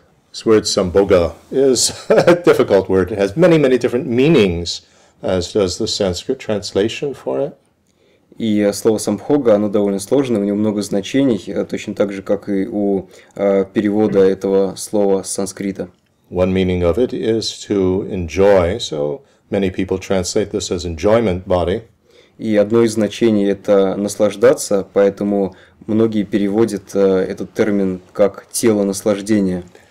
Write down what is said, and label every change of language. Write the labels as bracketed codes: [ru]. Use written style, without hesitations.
[en] This word sambhoga is a difficult word. It has many, many different meanings, as does the Sanskrit translation for it. [ru] И слово самбхога, оно довольно сложное, у него много значений, точно так же, как и у перевода этого слова с санскрита. [en] One meaning of it is to enjoy. So many people translate this as enjoyment body. [ru] И одно из значений – это наслаждаться, поэтому многие переводят этот термин как «тело наслаждения».